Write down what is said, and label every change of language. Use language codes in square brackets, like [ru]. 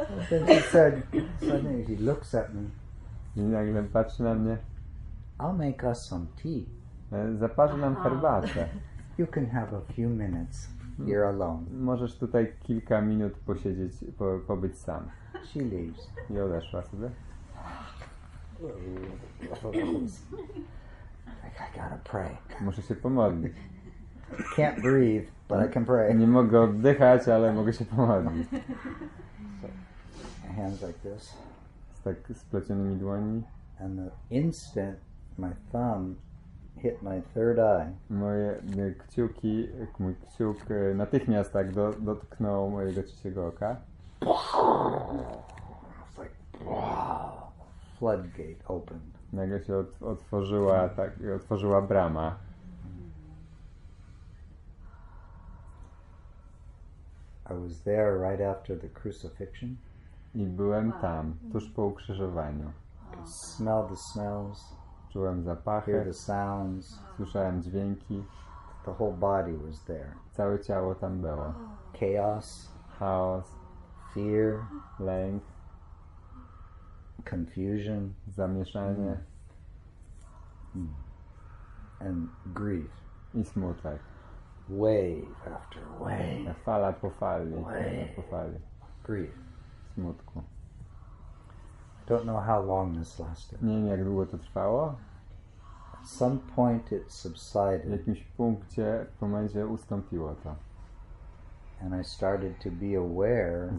[en] Then she said, suddenly he looks at me. [pl] I nagle patrzy na mnie. [en] I'll make us some tea. [pl] Zaparzę nam herbatę. [en] You can have a few minutes. You're alone. [pl] Możesz tutaj kilka minut posiedzieć, pobyć sam. [en] She leaves. [pl] I odeszła sobie. [en] I gotta pray. [pl] Muszę się pomodlić. [en] Can't breathe, but I can pray. [pl] Nie mogę oddychać, ale mogę się pomodlić. [en] So, my hands like this. [pl] Z tak splecionymi dłoni. [en] And the instant my thumb hit my third eye. [pl] Moje kciuki, mój kciuk natychmiast tak dotknął mojego trzeciego oka. [en] Floodgate opened. [pl] Nagle się otworzyła, tak, otworzyła brama. [en] I was there right after the crucifixion. [pl] I byłem tam, tuż po ukrzyżowaniu. [en] Smell the smells. [pl] Czułem zapachy. [en] Hear the sounds. [pl] Słyszałem dźwięki. [en] The whole body was there. [pl] Całe ciało tam było. [en] Chaos. [pl] Chaos. [en] Fear. [pl] Lęk. [en] Confusion. [pl] Zamieszanie. [en] And grief. [pl] I smutek. [en] Wave after wave. [pl] Fala po fali. [en] Wave. [pl] Po fali. [en] Grief. [pl] Smutku. [en] Don't know how long this lasted. [pl] Nie wiem, jak długo to trwało. [en] At some point it subsided. [pl] W jakimś punkcie, w momencie ustąpiło to. [en] And I started to be aware.